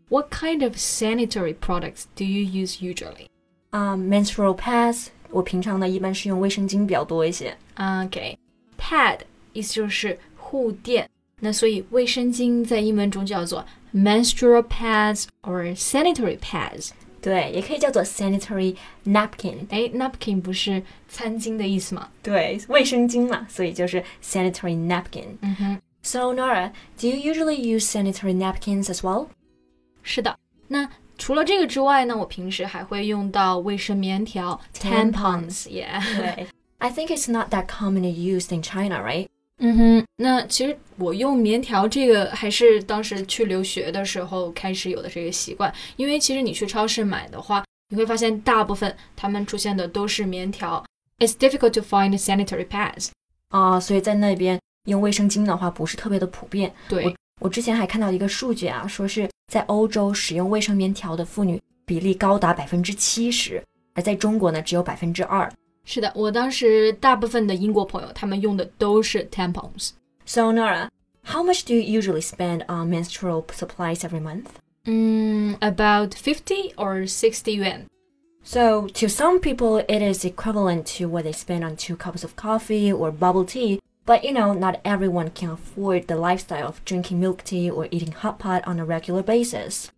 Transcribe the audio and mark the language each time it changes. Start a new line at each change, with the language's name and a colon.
English: What kind of sanitary products do you use usually? Menstrual pads.
Chinese: 我平常呢一般是用卫生巾比较多一些。 Okay. Pad 意思就是护垫。那所以卫生巾在英文中叫做
English: menstrual pads or sanitary pads.
Chinese: 对，也可以叫做 sanitary napkin. Napkin 不是餐巾的意思吗？对，卫生巾嘛，所以就是 sanitary napkin.
English: So Nora, do you usually use sanitary napkins as well?
Chinese: 是的，那除了这个之外呢，我平时还会用到卫生棉条
English: tampons. Yeah. Okay. I think it's not that commonly used in China, right?
Chinese: 那其实我用棉条这个还是当时去留学的时候开始有的这个习惯，因为其实你去超市买的话，你会发现大部分他们出现的都是棉条。
English: It's difficult to find sanitary pads.
Chinese: 所以在那边用卫生巾的话不是特别的普遍。对，我之前还看到一个数据啊，说是在欧洲使用卫生棉条的妇女比例高达70%，而在中国呢只有2%。是的，我当时大部分的英国朋友他们用的都是 tampons。
English: So Nora, how much do you usually spend on menstrual supplies every month? About 50 or 60 yuan. So to some people it is equivalent to what they spend on 2 cups of coffee or bubble teaBut you know, not everyone can afford the lifestyle of drinking milk tea or eating hot pot on a regular basis.